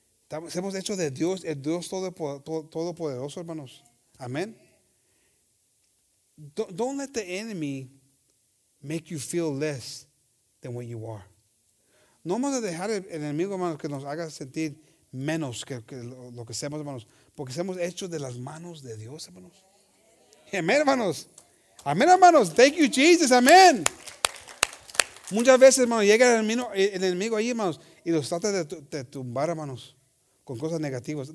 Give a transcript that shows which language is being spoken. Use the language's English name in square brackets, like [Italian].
[Spanish] Hemos hecho de Dios, el Dios todopoderoso, hermanos. Amén. [English] Don't let the enemy make you feel less than what you are. [Spanish] No vamos a dejar el enemigo, hermanos, que nos haga sentir menos que lo que seamos, hermanos. Porque seamos hechos de las manos de Dios, hermanos. Amén, hermanos. Amén, hermanos. [English] Thank you, Jesus. [Spanish] Amén. Muchas veces, hermanos, llega el enemigo ahí, hermanos, y los trata de tumbar, hermanos, con cosas negativas.